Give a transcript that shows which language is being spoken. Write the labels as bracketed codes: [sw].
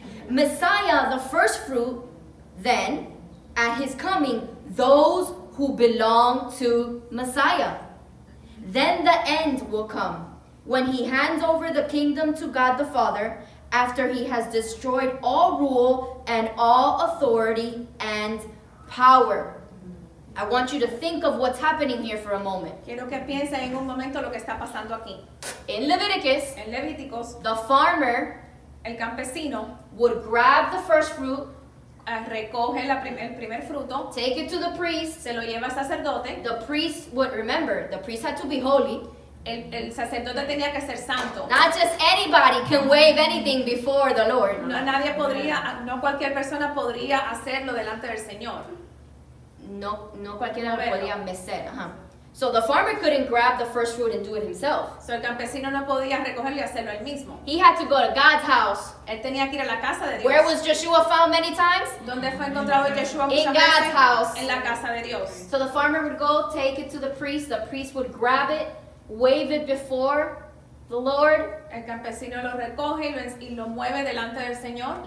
[en] Messiah, the first fruit, then, at his coming, those who belong to Messiah. Then the end will come, when he hands over the kingdom to God the Father, after he has destroyed all rule and all authority and power. I want you to think of what's happening here for a moment. [es] Quiero que piensen en un momento lo que está pasando aquí. [en] In Leviticus, [es] en Levíticos, [en] the farmer, [es] el campesino, [en] would grab the first fruit, [es] recoge la el primer fruto, [en] take it to the priest, [es] se lo lleva al sacerdote. [en] The priest would, remember, the priest had to be holy. [es] El sacerdote tenía que ser santo. [en] Not just anybody can wave anything before the Lord. [es] No, nadie podría, no cualquier persona podría hacerlo delante del Señor. No cualquiera lo podía mecer. [en] So the farmer couldn't grab the first fruit and do it himself. [es] So el campesino no podía recogerlo y hacerlo él mismo. [en] He had to go to God's house. [es] Él tenía que ir a la casa de Dios. [en] Where was Joshua found many times? [es] ¿Dónde fue encontrado Joshua muchas [en] veces? In God's house. [es] En la casa de Dios. [en] So the farmer would go, take it to the priest. The priest would grab it, wave it before the Lord. [es] El campesino lo recoge y lo mueve delante del Señor.